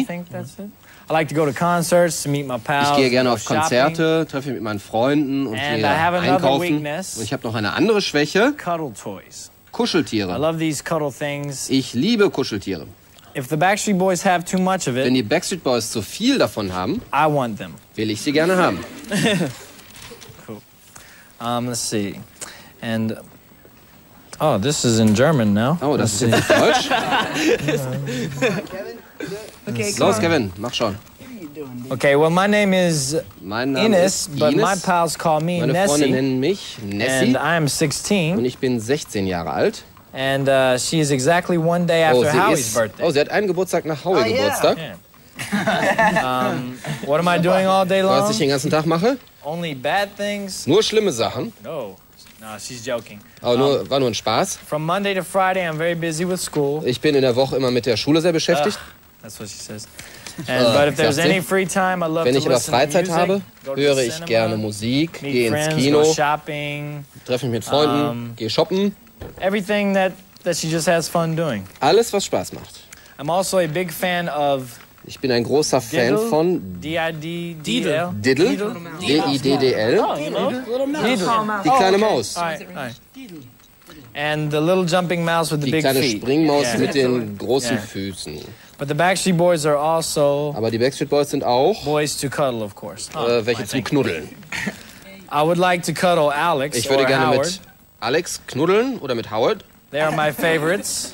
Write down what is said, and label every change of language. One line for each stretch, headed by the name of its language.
English: I think that's it. I like to go to concerts to meet my pals.
German: Ich gehe gerne auf Konzerte, treffe mich mit meinen Freunden und gehe einkaufen. Und ich habe noch eine andere Schwäche.
English: Cuddle toys.
German: Kuscheltiere.
English: I love these cuddle things.
German: Ich liebe Kuscheltiere.
English: If the Backstreet Boys have too much of it,
German: wenn die Backstreet Boys zu viel davon haben,
English: I want them.
German: Will ich sie gerne haben.
English: Cool. Let's see. And oh, this is in German now.
German: Oh, das
English: Let's
German: ist jetzt Deutsch.
English: Okay,
German: los, Kevin, mach schon.
English: Okay, well, my name is Ines, but my pals call me
German: Meine Nessie. Meine Freunde nennen mich Nessie.
English: And I am 16.
German: Und ich bin 16 Jahre alt.
English: And she is exactly one day after Howie's birthday.
German: Oh, sie hat einen Geburtstag nach Howie Geburtstag.
English: Yeah. what am I doing all day long?
German: Was ich den ganzen Tag mache?
English: Only bad things.
German: Nur schlimme Sachen.
English: No, she's joking.
German: Aber nur, war nur ein Spaß.
English: From Monday to Friday, I'm very busy with school.
German: Ich bin in der Woche immer mit der Schule sehr beschäftigt.
English: That's what she says. And, but if there's any free time, I love
German: Wenn
English: to
German: ich aber Freizeit
English: music,
German: habe, höre ich
English: cinema,
German: gerne Musik, gehe ins
English: friends,
German: Kino,
English: shopping,
German: treffe mich mit Freunden, gehe shoppen.
English: Everything that she just has fun doing.
German: Alles, was Spaß macht.
English: I'm also a big fan of
German: Ich bin ein großer Fan Diddle, von D-I-D-D-L. Diddle? D-I-D-D-L? Diddle. Die kleine Maus.
English: And the little jumping mouse with the big
German: feet. Die kleine Springmaus mit den großen Füßen.
English: But the Backstreet Boys are also
German: Aber die Backstreet Boys sind auch
English: Boys to cuddle, of course.
German: Welche zum Knuddeln.
English: I would like to cuddle Alex
German: Ich würde gerne Howard. Mit Alex knuddeln oder mit Howard.
English: They are my favorites.